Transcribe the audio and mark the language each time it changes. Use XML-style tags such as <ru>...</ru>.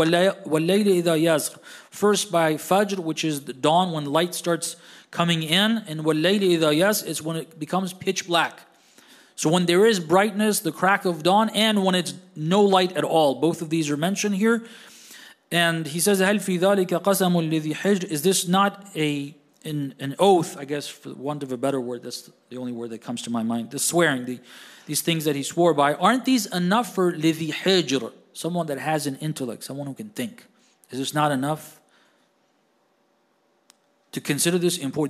<ar>وَاللَّيْلِ إِذَا يَسْرِ.</ar> <en>First by fajr, which is the dawn when light starts coming in, and</en> <ar>وَاللَّيْلِ إِذَا يَسْرِ</ar> <en>is when it becomes pitch black. So when there is brightness, the crack of dawn, and when it's no light at all. Both of these are mentioned here. And he says,</en> <ar>هَلْ فِي ذَلِكَ قَسَمٌ لِذِي حِجْرٍ.</ar> <en>Is this not an oath, I guess, for want of a better word, that's the only word that comes to my mind, the swearing, these things that he swore by, aren't these enough for</en> <ar>لِذِي حِجْرٍ,</ar> <en>someone that has an intellect, someone who can think? Is this not enough to consider this important?</en>